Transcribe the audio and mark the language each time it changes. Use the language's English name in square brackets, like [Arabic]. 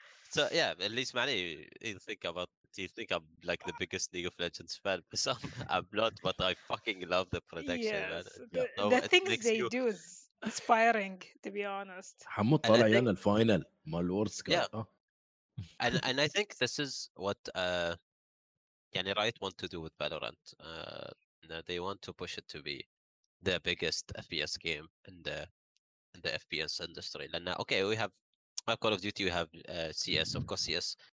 [English] So yeah, at least many you think I'm like the biggest League of Legends fan. So I'm not, but I fucking love the production. Yes. Man. The things they do is inspiring, to be honest. [Arabic] حمود طالع يانا الفاينل مال وورلدز كاب. [English] Yeah. and I think this is what يعني Riot want to do with Valorant. They want to push it to be the biggest FPS game in the FPS industry. And now, okay, we have Call of Duty, we have CS. Of course, CS.